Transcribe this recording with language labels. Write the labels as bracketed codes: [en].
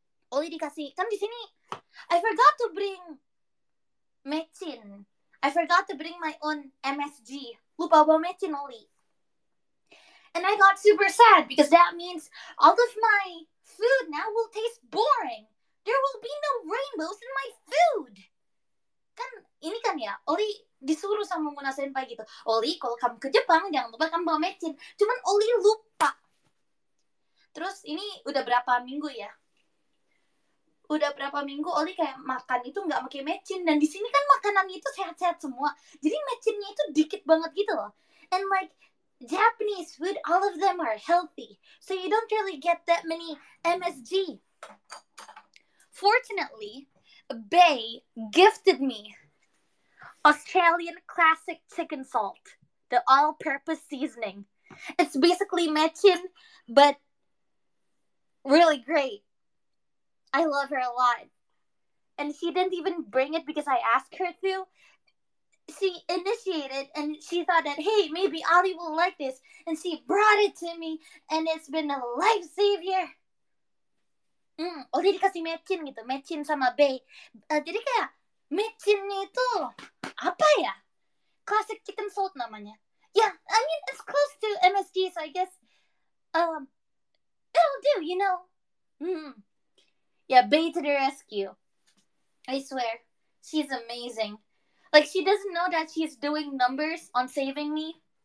[id] Oli dikasih, kan di sini. [en] I forgot to bring [id] mecin. [en] I forgot to bring my own MSG. [id] Lupa bawa mecin, [en] Oli. And I got super sad because that means all of my food now will taste boring. There will be no rainbows in my food. [id] Kan ini kan ya, Oli disuruh sama Muna Senpai gitu. Oli, kalau kamu ke Jepang, jangan lupa kamu bawa mecin. Cuman Oli lupa. Terus ini udah berapa minggu ya? Udah berapa minggu Oli kayak makan itu nggak pakai mecin. Dan di sini kan makanannya itu sehat-sehat semua. Jadi mecinnya itu dikit banget gitu loh. [en] And like, Japanese food, all of them are healthy. So you don't really get that many MSG. Fortunately, Bay gifted me Australian classic chicken salt, the all-purpose seasoning. It's basically mecin, but really great. I love her a lot. And she didn't even bring it because I asked her to. She initiated and she thought that, hey, maybe Ollie will like this. And she brought it to me and it's been a life savior. [id] Oli dikasih mecin gitu, mecin sama Bay. Jadi kayak mecinnya itu apa ya? Classic chicken salt namanya. [en] Yeah, I mean it's close to MSG, so I guess it'll do, you know. Yeah, Bay to the rescue. I swear, she's amazing. Like she doesn't know that she's doing numbers on saving me.